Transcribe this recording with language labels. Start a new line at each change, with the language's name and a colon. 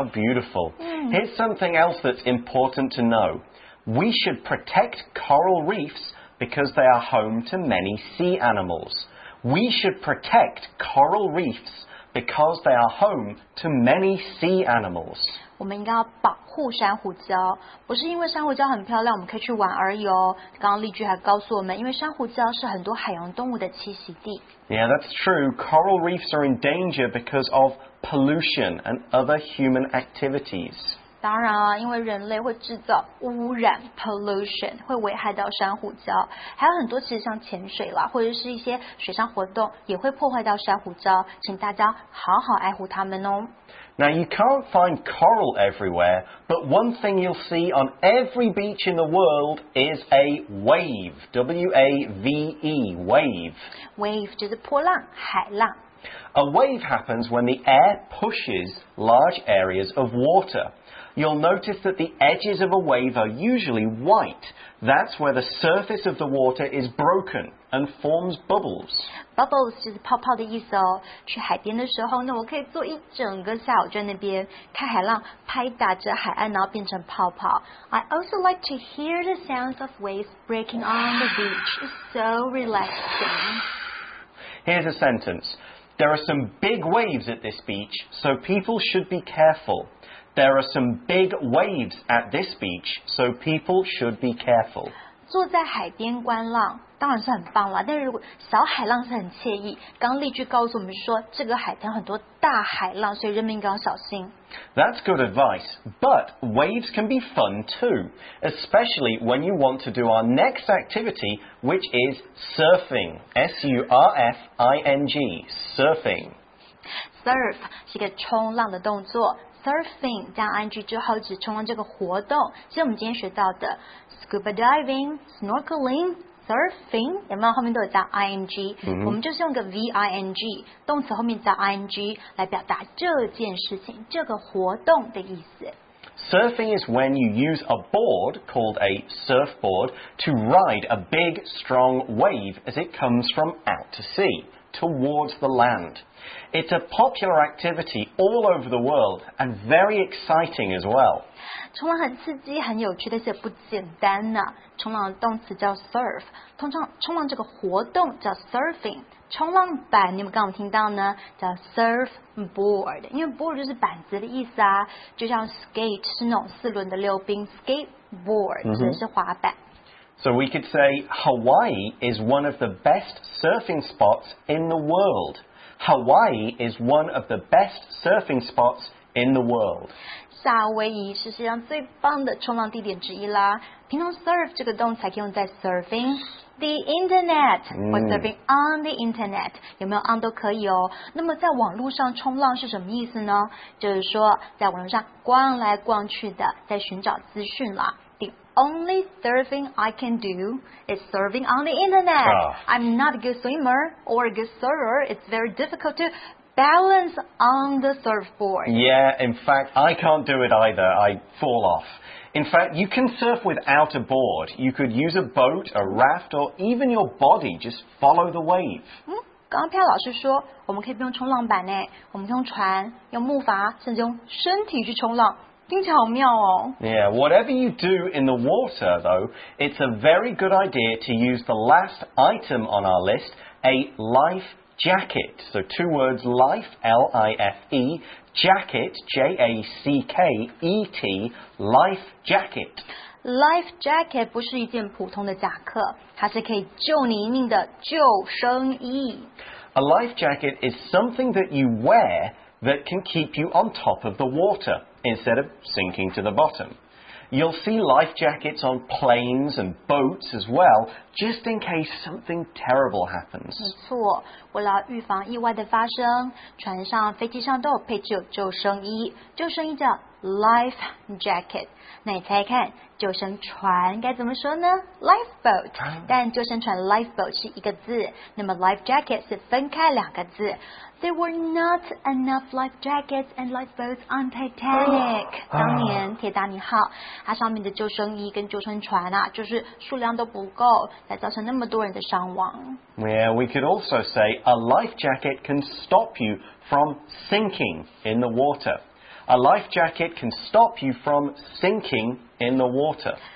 English: Beautiful. Here's something else that's important to know. We should protect coral reefs because they are home to many sea animals. We should protect coral reefs because they are home to many sea animals.
Chinese: 我们应该要保护珊瑚礁，不是因为珊瑚礁很漂亮，我们可以去玩而已哦。刚刚例句还告诉我们，因为珊瑚礁是很多海洋动物的栖息地。
English: Yeah, that's true. Coral reefs are in danger because of pollution and other human activities.
Chinese: 当然啊，因为人类会制造污染 pollution， 会危害到珊瑚礁。还有很多其实像潜水啦，或者是一些水上活动，也会破坏到珊瑚礁。请大家好好爱护它们哦。
English: Now you can't find coral everywhere, but one thing you'll see on every beach in the world is a wave, W-A-V-E, wave.
Chinese: Wave 就是波浪，海浪。
English: A wave happens when the air pushes large areas of water. You'll notice that the edges of a wave are usually white. That's where the surface of the water is broken and forms bubbles.
Chinese: Bubbles 就是泡泡的意思哦。去海边的时候呢，我可以坐一整个下午在那边看海浪拍打着海岸，然后变成泡泡。
English: I also like to hear the sounds of waves breaking on the beach. It's so relaxing. Here's a sentence. There are some big waves at this beach, so people should be careful. There are some big waves at this beach, so people should be careful.
Chinese: 坐在海边观浪当然是很棒了，但是如果小海浪是很惬意。刚例句告诉我们说，这个海滩很多大海浪，所以人民要小心。
English: That's good advice, but waves can be fun too, especially when you want to do our next activity, which is surfing. S-U-R-F-I-N-G, surfing.
Chinese: Surf 是一个冲浪的动作。Surfing 加 ing 之后指冲浪这个活动，是我们今天学到的 scuba diving, snorkeling. Surfing 有没有后面都有加 ing？、我们就是用个 ving 动词后面加 ing 来表达这件事情、这个活动的意思。
English: Surfing is when you use a board called a surfboard to ride a big, strong wave as it comes from out to sea, towards the land. It's a popular activity all over the world and very exciting as well.
Chinese: 冲浪很刺激，很有趣，但是不简单呢。冲浪的动词叫 surf， 通常冲浪这个活动叫 surfing。冲浪板，你们刚刚听到呢，叫 surfboard， 因为 board 就是板子的意思啊，就像 skate 是那种四轮的溜冰 ，skateboard 就是滑板。Mm-hmm.
English: So we could say Hawaii is one of the best surfing spots in the world. Hawaii is one of the best surfing spots in the world.
Chinese: 夏威夷是世界上最棒的冲浪地点之一啦。平常 surf 这个动词可以用在
English: surfing the internet
Chinese: 或
English: surfing on the internet，
Chinese: 有没有 on 都可以哦。那么在网络上冲浪是什么意思呢？就是说在网络上逛来逛去的，在寻找资讯啦。
English: The only surfing I can do is surfing on the internet. I'm not a good swimmer or a good surfer. It's very difficult to balance on the surfboard. Yeah, in fact, I can't do it either. I fall off. In fact, you can surf without a board. You could use a boat, a raft, or even your body. Just follow the wave.
Chinese: 刚刚佩老师说我们可以不用冲浪板呢，我们用船，用木筏，甚至用身体去冲浪。听起来好妙哦。
English: Yeah, whatever you do in the water, though, it's a very good idea to use the last item on our list, a life jacket. So two words, life, L-I-F-E, jacket, J-A-C-K-E-T, life jacket.
Chinese: Life jacket 不是一件普通的夹克，它是可以救你一命的救生衣。
English: A life jacket is something that you wear that can keep you on top of the water. Instead of sinking to the bottom. You'll see life jackets on planes and boats as well, just in case something terrible happens.
Chinese: 没错，为了预防意外的发生，船上、飞机上都有配置有救生衣。救生衣叫 life jacket。那你猜看，救生船该怎么说呢？ Lifeboat。 但救生船 lifeboat 是一个字，那么 life jacket 是分开两个字。
English: There were not enough life jackets and lifeboats on Titanic.
Chinese: 当年铁达尼号，它上面的救生衣跟救生船啊，就是数量都不够，才造成那么多人的伤亡。
English: Yeah, we could also say a life jacket can stop you from sinking in the water. A life jacket can stop you from sinking in the water.